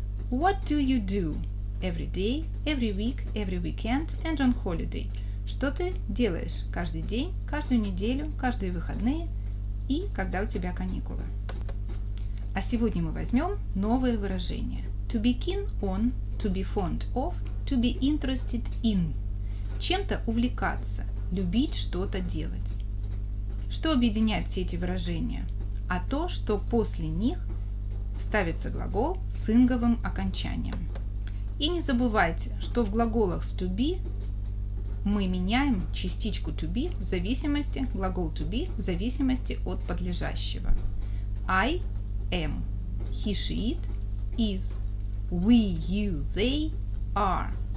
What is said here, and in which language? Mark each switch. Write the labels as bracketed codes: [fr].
[en] What do you do every day, every week, every weekend and on holiday? [ru] Что ты делаешь каждый день, каждую неделю, каждые выходные и когда у тебя каникулы? А сегодня мы возьмем новые выражения. [en] To be keen on, to be fond of, to be interested in. [ru] Чем-то увлекаться. Любить что-то делать. Что объединяет все эти выражения? А то, что после них ставится глагол с инговым окончанием. И не забывайте, что в глаголах с to be мы меняем частичку to be в зависимости, глагол to be в зависимости от подлежащего. [en] I, am, he, she, it, is, we, you, they, are.